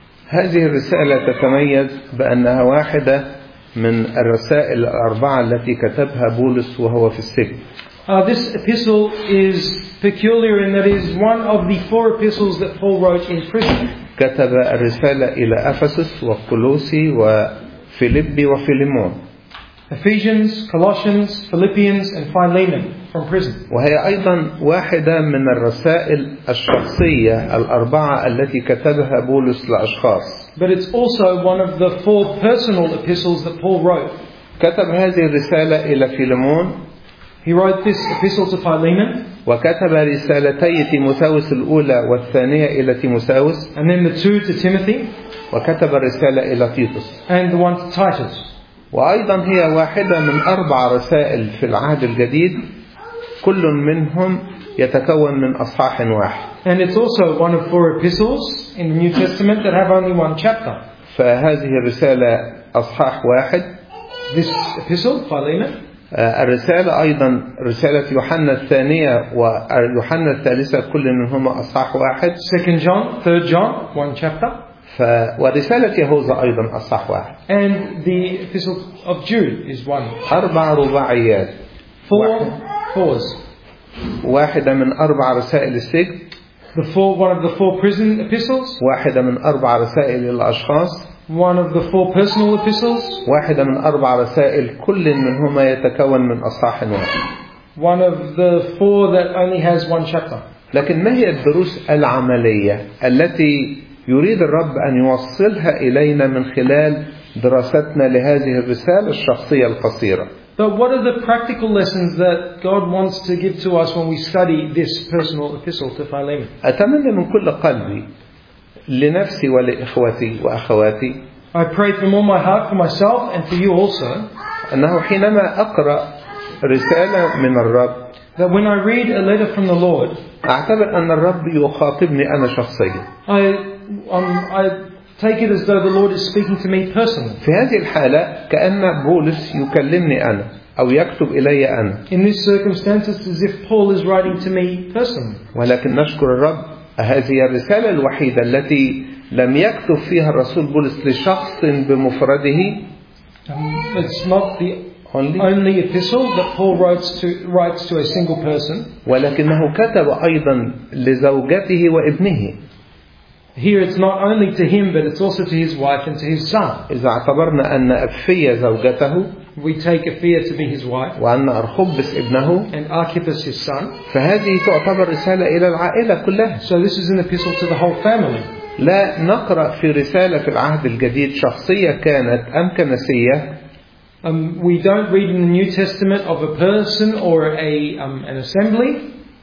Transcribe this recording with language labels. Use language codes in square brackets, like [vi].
[ar] هذه الرسالة تتميز بأنها واحدة من الرسائل الأربعة التي كتبها بولس وهو في السجن. [en] This epistle is peculiar in that it is one of the four epistles that Paul wrote in prison. [ar] كتب الرسالة إلى أفسس وكولوسي وفيليبي وفيليمون. [en] Ephesians, Colossians, Philippians, and Philemon. from prison. [ar] وهي أيضا واحدة من الرسائل الشخصية الأربعة التي كتبها بولس للأشخاص. [en] But it's also one of the four personal epistles that Paul wrote. [ar] كتب هذه الرسالة إلى فيلمون. [en] He wrote this epistle to Philemon. [ar] وكتب رسالتي تيموثاوس الأولى والثانية إلى تيموثاوس. [en] And then the two to Timothy. [ar] وكتب الرسالة إلى تيتوس. [en] And the one to Titus. [ar] وأيضا هي واحدة من أربع رسائل في العهد الجديد، كل منهم يتكون من أصحاح واحد. [en] And it's also one of four epistles in the New Testament that have only one chapter. [ar] فهذه الرسالة أصحاح واحد. [en] This epistle, Philemon. [ar] الرسالة أيضا رسالة يوحنا الثانية ويوحنا الثالثة كل منهما أصحاح واحد. [en] Second John, Third John, one chapter. [ar] ورسالة يهوذا أيضا أصحاح واحد. [en] And the epistle of Jude is one. [ar] أربع رباعيات. [en] Four fours. [ar] واحدة من أربع رسائل السجن. [en] The four, one of the four prison epistles. [ar] واحدة من أربع رسائل للأشخاص. [en] One of the four personal epistles. [ar] واحدة من أربع رسائل كل منهما يتكون من أصحاح واحد. [en] One of the four that only has one chapter. [ar] لكن ما هي الدروس العملية التي يريد الرب أن يوصلها إلينا من خلال دراستنا لهذه الرسالة الشخصية القصيرة؟ [en] But what are the practical lessons that God wants to give to us when we study this personal epistle to Philemon? [ar] أتمنى من كل قلبي لنفسي ولإخوتي وأخواتي. [en] I pray from all my heart for myself and for you also. [ar] أنه حينما أقرأ رسالة من الرب. [en] That when I read a letter from the Lord. [ar] أعتبر أن الرب يخاطبني أنا شخصيا. [en] I take it as though the Lord is speaking to me personally. [ar] في هذه الحالة كأن بولس يكلمني أنا أو يكتب إلي أنا. [en] In this circumstance, it's as if Paul is writing to me personally. [ar] ولكن نشكر الرب. هذه الرسالة الوحيدة التي لم يكتب فيها الرسول بولس لشخص بمفرده. [en] It's not the only epistle that Paul writes to a single person. [ar] ولكنه كتب أيضا لزوجته وابنه. [en] Here it's not only to him, but it's also to his wife and to his son. [ar] إذا اعتبرنا أن أبفية زوجته. [en] We take Apphia to be his wife. [ar] وأن أرخبس ابنه. [en] And Archippus his son. [ar] فهذه تعتبر رسالة إلى العائلة كلها. [en] So this is an epistle to the whole family. [ar] لا نقرأ في رسالة في العهد الجديد شخصية كانت أم كنسية. [en] We don't read in the New Testament of a person or a an assembly.